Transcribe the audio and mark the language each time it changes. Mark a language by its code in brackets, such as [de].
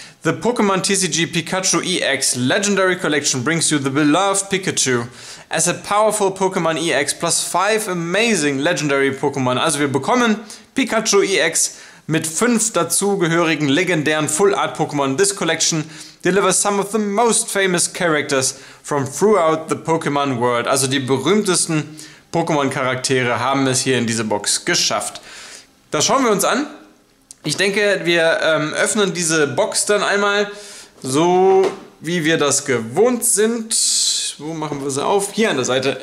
[en] The Pokémon TCG Pikachu EX Legendary Collection brings you the beloved Pikachu as a powerful Pokémon EX plus 5 amazing legendary Pokémon. [de] Also wir bekommen Pikachu EX mit 5 dazugehörigen legendären Full-Art-Pokémon. [en] This collection delivers some of the most famous characters from throughout the Pokémon world. [de] Also die berühmtesten Pokémon-Charaktere haben es hier in diese Box geschafft. Das schauen wir uns an. Ich denke, wir öffnen diese Box dann einmal, so wie wir das gewohnt sind. Wo machen wir sie auf? Hier an der Seite.